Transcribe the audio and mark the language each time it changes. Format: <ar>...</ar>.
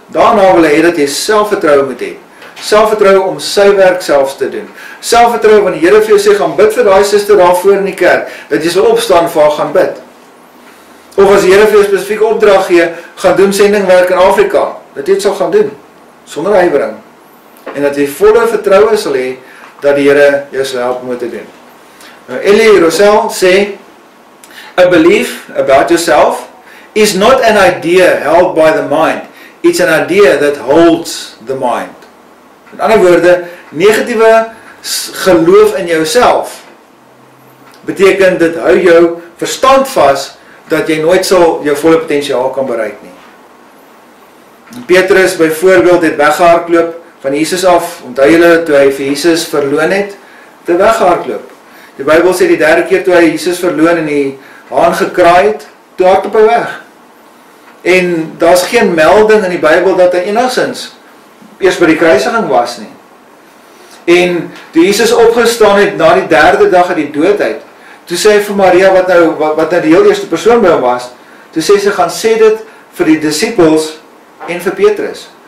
<af>Daarna wil hy dat jy selfvertroue moet hê. Selfvertroue om sy werk selfs te doen. Selfvertroue want die Here vir jou sê gaan bid vir daai suster daarvoor in die kerk dat jy sal opstaan vir haar gaan bid. Of as die Here vir jou spesifieke opdrag gee, gaan doen sendingwerk in Afrika, dat jy dit sal gaan doen sonder huiwering. En dat jy volle vertroue sal hê dat die Here jou sal help om dit te doen. Nou Elie Rosel sê</af> <en>a belief about yourself is not an idea held by the mind. It's an idea that holds the mind.</en> <af>In ander woorde, negatiewe geloof in jouself beteken dit hou jou verstand vas dat jy nooit sal jou volle potensiaal kan bereik nie. Petrus byvoorbeeld het weggehardloop van Jesus af. Onthou julle toe hy vir Jesus verloon het, te weggehardloop. Die Bybel sê die derde keer toe hy Jesus verloon en die haan gekraai het, toe hardloop hy weg. En daar's geen melding in die Bybel dat hy enigsins eers by die kruisiging was nie. En toe Jesus opgestaan het na die derde dag uit die dood uit, toe sê hy vir Maria wat nou die heel eerste persoon by hom was, toe sê sy gaan sê dit vir die disippels en vir Petrus.</af>